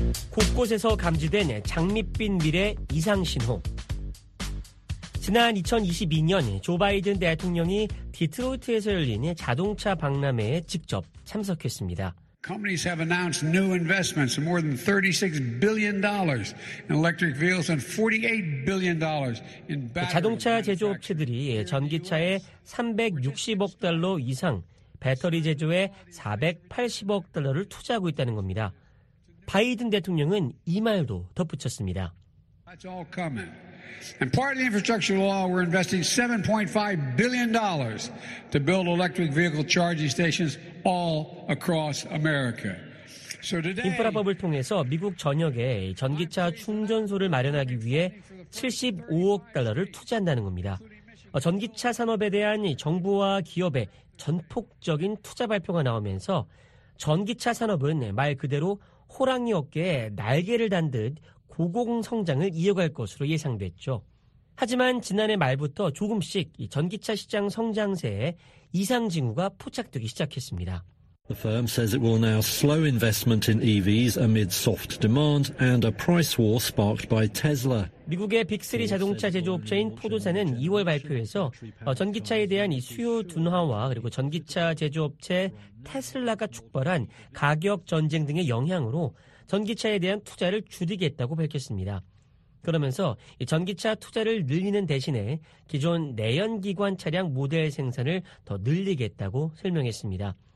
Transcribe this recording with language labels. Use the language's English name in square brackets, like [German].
[Korean] 곳곳에서 감지된 장밋빛 미래 이상신호. 지난 2022년 조 바이든 대통령이 디트로이트에서 열린 자동차 박람회에 직접 참석했습니다. [English] Companies have announced new investments of more than $36 billion in electric vehicles and $48 billion in batteries. [Korean] 자동차 제조업체들이 전기차에 360억 달러 이상, 배터리 제조에 480억 달러를 투자하고 있다는 겁니다. 바이든 대통령은 이 말도 덧붙였습니다. [English] That's all coming. And part of the infrastructure law, we're investing $7.5 billion to build electric vehicle charging stations all across America. So today, [Korean] 인프라법을 통해서 미국 전역에 전기차 충전소를 마련하기 위해 75억 달러를 투자한다는 겁니다. 전기차 산업에 대한 정부와 기업의 전폭적인 투자 발표가 나오면서 전기차 산업은 말 그대로 호랑이 어깨에 날개를 단 듯 고공성장을 이어갈 것으로 예상됐죠. 하지만 지난해 말부터 조금씩 전기차 시장 성장세에 이상징후가 포착되기 시작했습니다. [English] The firm says it will now slow investment in EVs amid soft demand and a price war sparked by Tesla. [Korean] 미국의 빅3 자동차 제조업체인 포도사는 2월 발표에서 전기차에 대한 이 수요 둔화와 그리고 전기차 제조업체 테슬라가 촉발한 가격 전쟁 등의 영향으로 전기차에 대한 투자를 줄이겠다고 밝혔습니다. 그러면서 전기차 투자를 늘리는 대신에 기존 내연기관 차량 모델 생산을 더 늘리겠다고 설명했습니다.